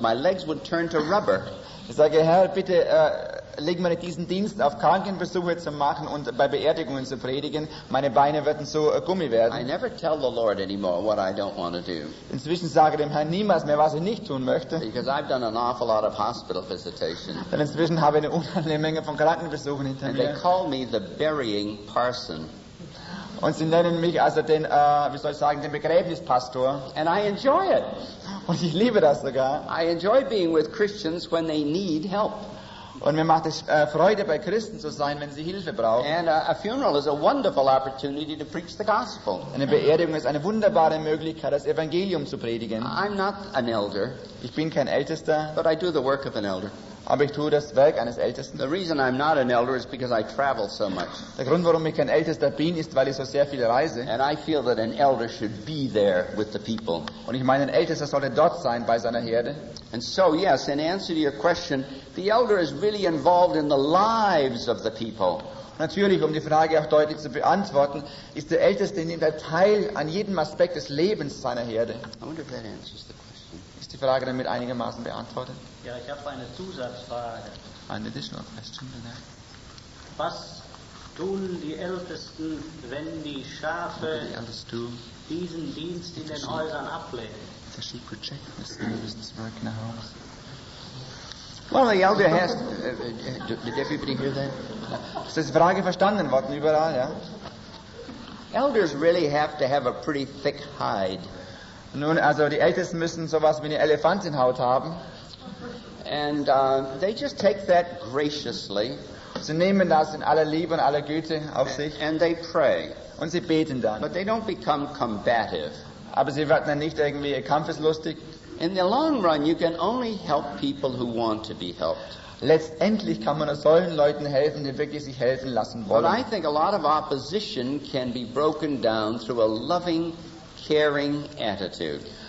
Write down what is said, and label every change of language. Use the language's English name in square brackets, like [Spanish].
[English] My legs would turn to rubber. [German] Ich sage, Herr, bitte leg mir diesen Dienst auf Krankenbesuche zu machen und bei Beerdigungen zu predigen. Meine Beine würden so Gummi werden. [English] I never tell the Lord anymore what I don't want to do. [German] Inzwischen sage ich dem Herrn niemals mehr, was ich nicht tun möchte. [English] Because I've done an awful lot of hospital visitation. [German] Denn inzwischen habe ich eine unheimliche Menge von Krankenbesuchen hinter [English] and [German] mir. [English] And they call me the burying parson. [German] Und sie nennen mich also den, wie soll ich sagen, den Begräbnispastor. [English] And I enjoy it. [German] Und ich liebe das sogar. [English] I enjoy being with Christians when they need help. [German] Und mir macht es Freude, bei Christen zu sein, wenn sie Hilfe brauchen. [English] And a funeral is a wonderful opportunity to preach the gospel. [German] Eine Beerdigung ist eine wunderbare Möglichkeit, das Evangelium zu predigen. [English] I'm not an elder. [German] Ich bin kein Ältester. [English] But I do the work of an elder. [German] Aber ich tue das Werk eines Ältesten. [English] The reason I'm not an elder is because I travel so much. [German] Der Grund, warum ich kein Ältester bin, ist, weil ich so sehr viel reise. [English] And I feel that an elder should be there with the people. [German] Und ich meine, ein Ältester sollte dort sein bei seiner Herde. [English] And so, yes, in answer to your question, the elder is really involved in the lives of the people. [German] Natürlich, um die Frage auch deutlich zu beantworten, ist der Älteste in der Teil an jedem Aspekt des Lebens seiner Herde. [English] I wonder if that answers the question. [German] Die Frage damit einigermaßen beantwortet? Ja, ich habe eine Zusatzfrage. [English] Eine additional question. [German] Was tun die Ältesten, wenn die Schafe diesen Dienst in den Häusern ablehnen? [English] The sheep reject this service, this work in the house. Well, the elder has... did everybody hear that? [German] Ist die Frage verstanden worden überall, ja? [English] Elders really have to have a pretty thick hide. [German] Nun, also die Ältesten müssen sowas wie eine Elefantenhaut haben. [English] And they just take that graciously. [German] Sie nehmen das in aller Liebe und aller Güte auf sich. [English] And they pray. [German] Und sie beten dann. [English] But they don't become combative. [German] Aber sie werden dann nicht irgendwie kampfeslustig. [English] In the long run, you can only help people who want to be helped. [German] Letztendlich kann man nur solchen Leuten helfen, die wirklich sich helfen lassen wollen. [English] But I think a lot of opposition can be broken down through a loving, caring attitude.